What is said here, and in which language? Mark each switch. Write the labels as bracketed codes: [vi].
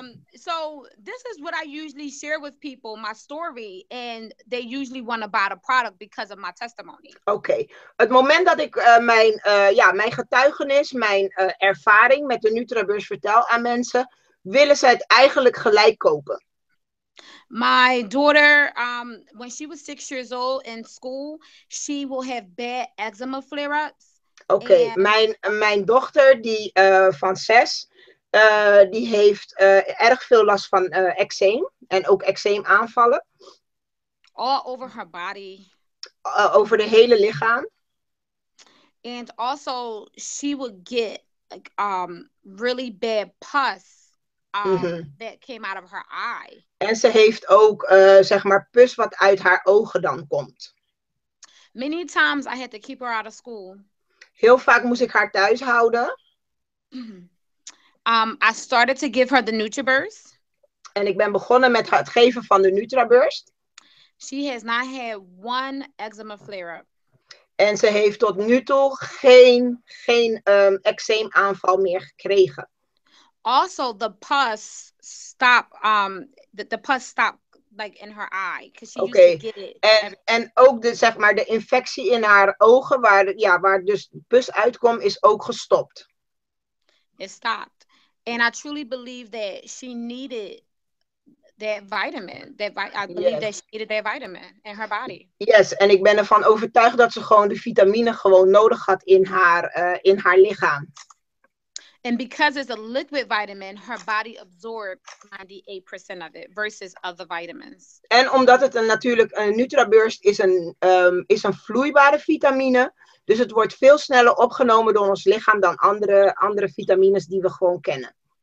[en] So this is what I usually share with people, my story, and they usually want to buy the product because of my testimony. Okay. [nl] Het moment dat ik mijn getuigenis, mijn ervaring met de NutriBurst vertel aan mensen, willen ze het eigenlijk gelijk kopen. [en] My daughter, when she was 6 years old in school, she will have bad eczema flare-ups. Oké, okay. [nl] Mijn dochter die van 6, die heeft erg veel last van eczeem en ook eczeem aanvallen. [en] All over her body. [nl] Over de hele lichaam. [en] And also she would get like really bad pus that came out of her eye. [nl] En ze heeft ook zeg maar pus wat uit haar ogen dan komt. [en] Many times I had to keep her out of school. [nl] Heel vaak moest ik haar thuis houden. [en] I started to give her the Nutriburst. [nl] En ik ben begonnen met het geven van de Nutriburst. [en] She has not had one eczema flare-up. [nl] En ze heeft tot nu toe geen eczeemaanval meer gekregen. [en] Also, the pus stopped like in her eye, because she okay. used to get it. [nl] En ook de zeg maar de infectie in haar ogen waar dus pus uitkomt is ook gestopt. [en] It stopped, and I truly believe that she needed that vitamin. That vitamin in her body. [nl] Yes, en ik ben ervan overtuigd dat ze gewoon de vitamine gewoon nodig had in haar lichaam. [en] And because it's a liquid vitamin, her body absorbs 98% of it versus other vitamins. [nl] En omdat het een natuurlijk een Nutriburst is een vloeibare vitamine, dus het wordt veel sneller opgenomen door ons lichaam dan andere vitamines die we gewoon kennen.